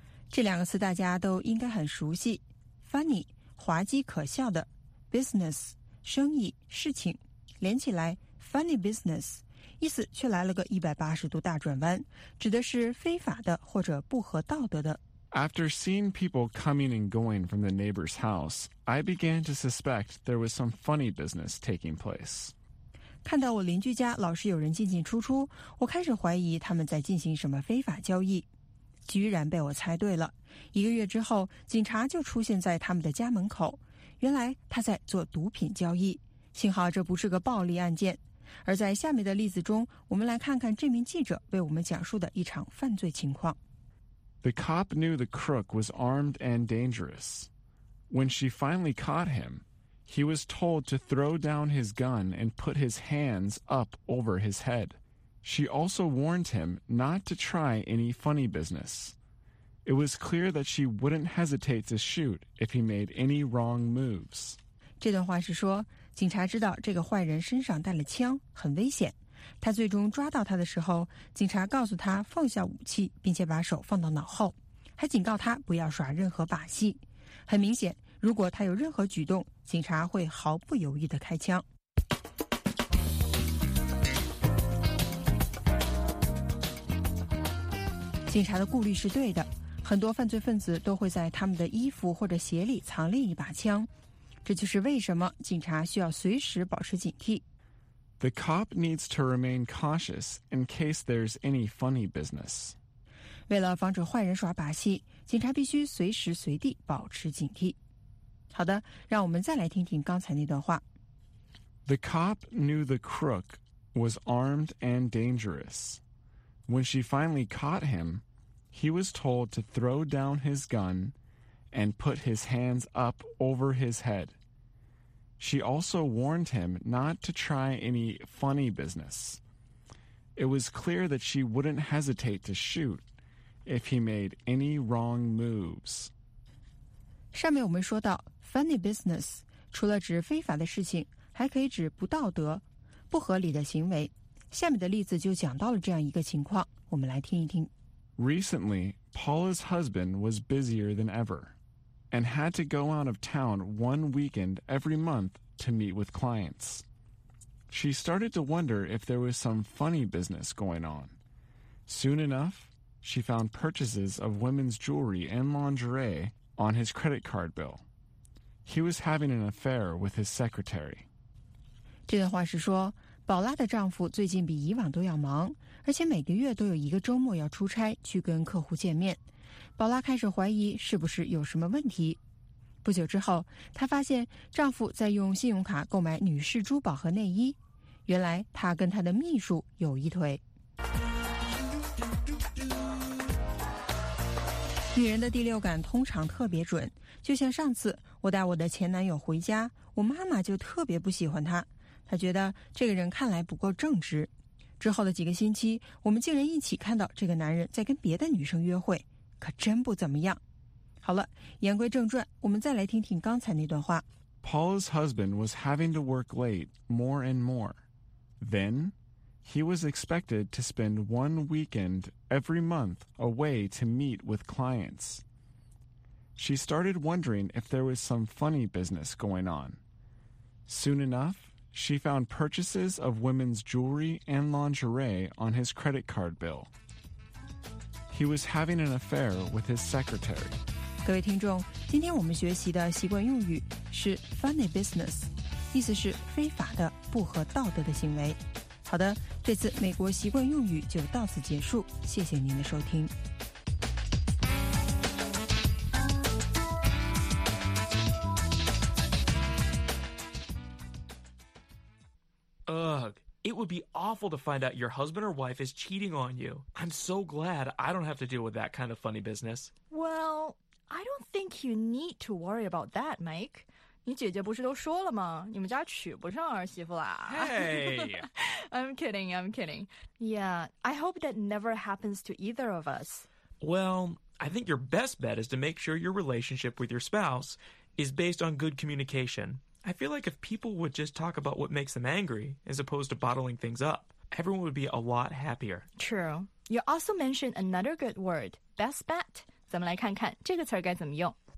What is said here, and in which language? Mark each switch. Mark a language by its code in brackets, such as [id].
[zh] 这两个词大家都应该很熟悉。Funny, 滑稽可笑的。 Business, 生意、事情。连起来 ,funny business, 意思却来了个180度大转弯，指的是非法的或者不合道德的。 [en] After seeing people coming and going from the neighbor's house, I began to suspect there was some funny business taking place. [zh] 看到我邻居家老是有人进进出出，我开始怀疑他们在进行什么非法交易。居然被我猜对了。一个月之后，警察就出现在他们的家门口，原来他在做毒品交易。幸好这不是个暴力案件。而在下面的例子中，我们来看看这名记者为我们讲述的一场犯罪情况。 [en] The cop knew the crook was armed and dangerous. When she finally caught him,He was told to throw down his gun and put his hands up over his head. She also warned him not to try any funny business. It was clear that she wouldn't hesitate to shoot if he made any wrong moves. [zh] 这段话是说，警察知道这个坏人身上带了枪，很危险，他最终抓到他的时候，警察告诉他放下武器，并且把手放到脑后，还警告他不要耍任何把戏。很明显，如果他有任何举动，警察会毫不犹豫地开枪。警察的顾虑是对的，很多犯罪分子都会在他们的衣服或者鞋里藏另一把枪，这就是为什么警察需要随时保持警惕。 [en] The cop needs to remain cautious in case there's any funny business. [zh] 为了防止坏人耍把戏，警察必须随时随地保持警惕。好的，让我们再来听听刚才那段话。 [en] The cop knew the crook was armed and dangerous. When she finally caught him, he was told to throw down his gun and put his hands up over his head. She also warned him not to try any funny business. It was clear that she wouldn't hesitate to shoot if he made any wrong moves. [zh] 上面我们说到 funny business 除了指非法的事情，还可以指不道德、不合理的行为。下面的例子就讲到了这样一个情况，我们来听一听。 [en] Recently, Paula's husband was busier than ever and had to go out of town one weekend every month to meet with clients. She started to wonder if there was some funny business going on. Soon enough, she found purchases of women's jewelry and lingerie on his credit card bill. He was having an affair with his secretary. [zh] 这段话是说，宝拉的丈夫最近比以往都要忙，而且每个月都有一个周末要出差去跟客户见面。宝拉开始怀疑是不是有什么问题。不久之后，她发现丈夫在用信用卡购买女士珠宝和内衣。原来她跟她的秘书有一腿。女人的第六感通常特别准，就像上次我带我的前男友回家，我妈妈就特别不喜欢他，她觉得这个人看来不够正直。之后的几个星期，我们竟然一起看到这个男人在跟别的女生约会，可真不怎么样。好了，言归正传，我们再来听听刚才那段话。 [en] Paula's husband was having to work late more and more. Then, he was expected to spend one weekend every month away to meet with clients. She started wondering if there was some funny business going on. Soon enough, she found purchases of women's jewelry and lingerie on his credit card bill. He was having an affair with his secretary. [zh] 各位听众，今天我们学习的习惯用语是 funny business， 意思是非法的、不合道德的行为。好的，这次美国习惯用语就到此结束，谢谢您的收听。 [en] It would be awful to find out your husband or wife is cheating on you. I'm so glad I don't have to deal with that kind of funny business. Well, I don't think you need to worry about that, Mike. [zh] 你姐姐不是都说了吗？你们家娶不上儿媳妇啦。 [en] Hey! I'm kidding. Yeah, I hope that never happens to either of us. Well, I think your best bet is to make sure your relationship with your spouse is based on good communication. I feel like if people would just talk about what makes them angry, as opposed to bottling things up, everyone would be a lot happier. True. You also mentioned another good word, best bet. [zh] 咱们来看看这个词该怎么用。